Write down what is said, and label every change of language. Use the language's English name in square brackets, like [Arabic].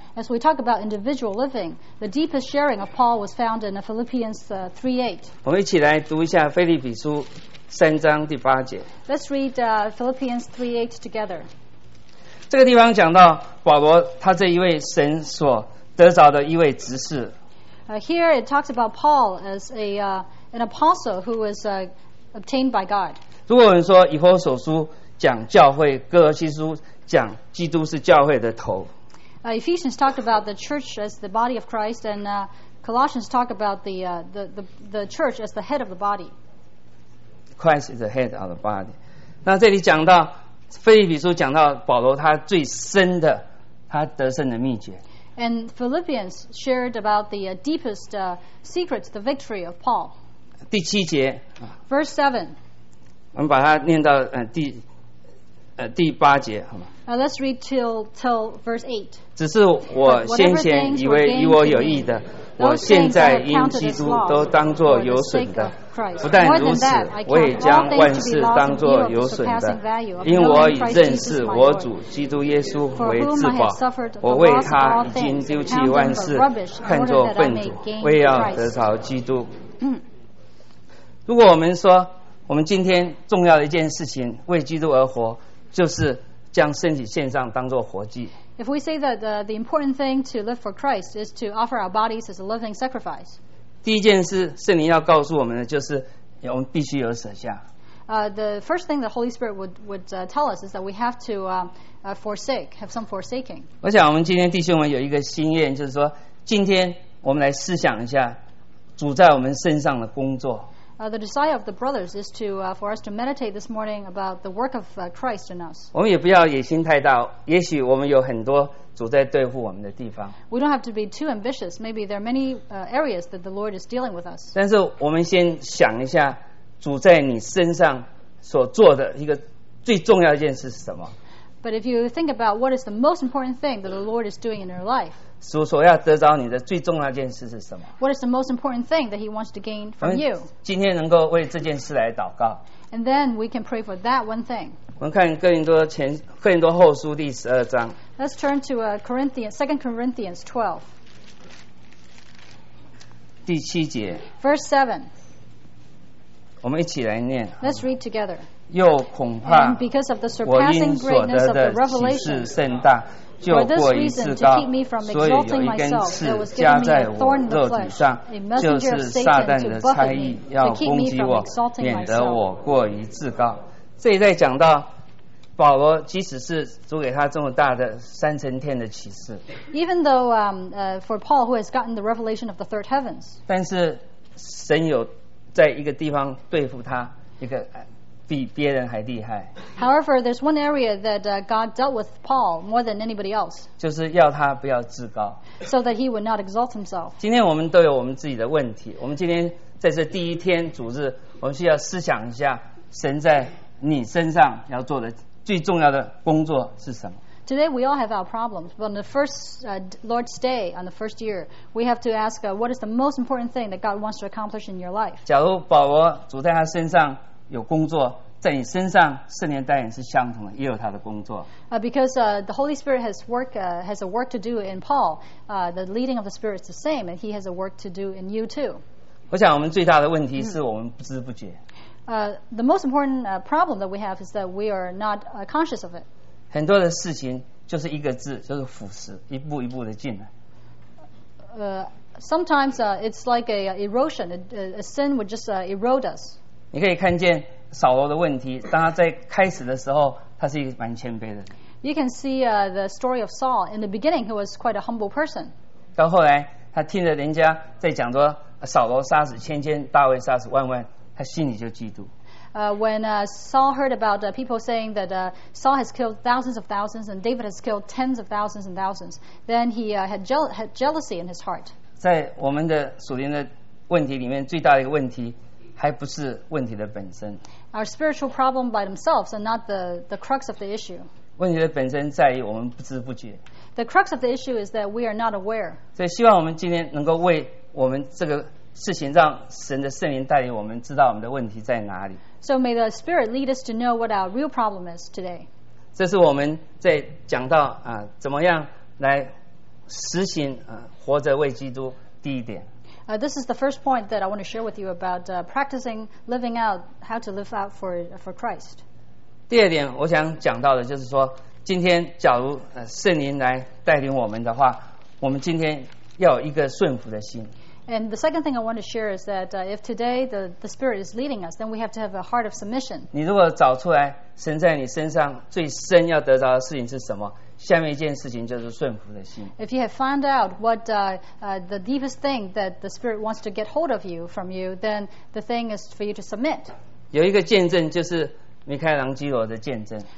[English] As we talk about individual living, the deepest sharing of Paul was found in Philippians 3:8. [Chinese] 我们一起来读一下腓立比书三章第八节。 [English] Let's read Philippians 3:8 together. [Chinese] 这个地方讲到保罗他这一位神所得着的一位执事。 [English] Here it talks about Paul as an apostle who was obtained by God. [Chinese] 如果我们说以弗所书讲教会，哥罗西书讲基督是教会的头。 [English] Ephesians talked about the church as the body of Christ, and Colossians talked about the church as the head of the body. Christ is the head of the body. [Chinese] 那这里讲到腓立比书讲到保罗他最深的他得胜的秘诀。 [English] And Philippians shared about the deepest secrets, the victory of Paul. [Chinese] 第七节。 [English] Verse 7. [Chinese] 我们把它念到第八节好吗？ [English] Let's read till verse 8. [Chinese] 只是我先前以为与我有益的，我现在因基督都当作有损的。不但如此，我也将万事当作有损的，因我已认识我主基督耶稣为至宝，我为他已经丢弃万事，看作粪土，为要得着基督。如果我们说我们今天重要的一件事情，为基督而活，就是将身体献上当作活祭。 [English] If we say that the important thing to live for Christ is to offer our bodies as a living sacrifice. [Chinese] 第一件事圣灵要告诉我们的就是我们必须有舍下。 [English] The first thing the Holy Spirit would tell us is that we have to forsake, have some forsaking. [Chinese] 我想我们今天弟兄们有一个心愿，就是说今天我们来思想一下主在我们身上的工作。 [English] The desire of the brothers is to, for us to meditate this morning about the work of Christ in us. [Chinese] 我们也不要野心太大，也许我们有很多主在对付我们的地方。 [English] We don't have to be too ambitious. Maybe there are many areas that the Lord is dealing with us. [Chinese] 但是我们先想一下，主在你身上所做的一个最重要一件事是什么？ [English] But if you think about what is the most important thing that the Lord is doing in your life. [Chinese] 主所要得着你的最重要一件事是什么？ [English] What is the most important thing that he wants to gain from you? [Chinese] 今天能够为这件事来祷告。 [English] And then we can pray for that one thing. [Chinese] 我们看哥林多后书第十二章。 [English] Let's turn to Second Corinthians 12. [Chinese] 第七节。 [English] Verse 7. [Chinese] 我们一起来念。 [English] Let's read together. [Chinese] 又恐怕 [English] And because of the surpassing greatness of the revelation. [Chinese] 就过一次高，所以有一根刺加在我肉体上，就是撒旦的差役要攻击我，免得我过一次高。这里在讲到保罗，即使是主给他这么大的三层天的启示 [English] ，Even though for Paul who has gotten the revelation of the third heavens， [Chinese] 但是神有在一个地方对付他一个。比别人还厉害。 [English] However, there's one area that God dealt with Paul more than anybody else. [Chinese] 就是要他不要自高。 [English] So that he would not exalt himself. [Chinese] 今天我们都有我们自己的问题。我们今天在这第一天主日，我们需要思想一下神在你身上要做的最重要的工作是什么。 [English] Today we all have our problems, but on the first Lord's Day, on the first year, we have to ask what is the most important thing that God wants to accomplish in your life. [Chinese] 假如保罗主在他身上有工作，在你身上圣灵带领是相同的，也有他的工作。 [English] Because the Holy Spirit has work has a work to do in Paul. The leading of the Spirit is the same, and he has a work to do in you too. [Chinese] 我想我们最大的问题是我们不知不觉。 [English] The most important problem that we have is that we are not conscious of it. [Chinese] 很多的事情就是一个字，就是腐蚀，一步一步的进来。 [English] Sometimes it's like a erosion. A sin would just erode us. [Chinese] 你可以看见扫罗的问题，当他在开始的时候，他是一个蛮谦卑的。 [English] You can see the story of Saul. In the beginning, he was quite a humble person. [Chinese] 到后来，他听着人家在讲说扫罗杀死千千，大卫杀死万万，他心里就嫉妒。 [English] When Saul heard about people saying that Saul has killed thousands of thousands and David has killed tens of thousands and thousands, then he had jealousy in his heart. [Chinese] 在我们的属灵的问题里面，最大的一个问题。还不是问题的本身。 [English] Our spiritual problem by themselves are not the crux of the issue. [Chinese] 问题的本身在于我们不知不觉。 [English] The crux of the issue is that we are not aware. [Chinese] 所以希望我们今天能够为我们这个事情，让神的圣灵带领我们知道我们的问题在哪里。 [English] So may the Spirit lead us to know what our real problem is today. [Chinese] 这是我们在讲到怎么样来实行活着为基督第一点。 [English] This is the first point that I want to share with you about practicing living out how to live out for Christ. [Chinese] 第二点我想讲到的就是说，今天假如圣灵来带领我们的话，我们今天要有一个顺服的心。 [English] And the second thing I want to share is that if today the Spirit is leading us, then we have to have a heart of submission. [Chinese] 你如果找出来神在你身上最深要得着的事情是什么？下面一件事情就是顺服的心。 [English] If you have found out what the deepest thing that the Spirit wants to get hold of you from you, then the thing is for you to submit. [Chinese] 有一个见证就是米开朗基罗的见证。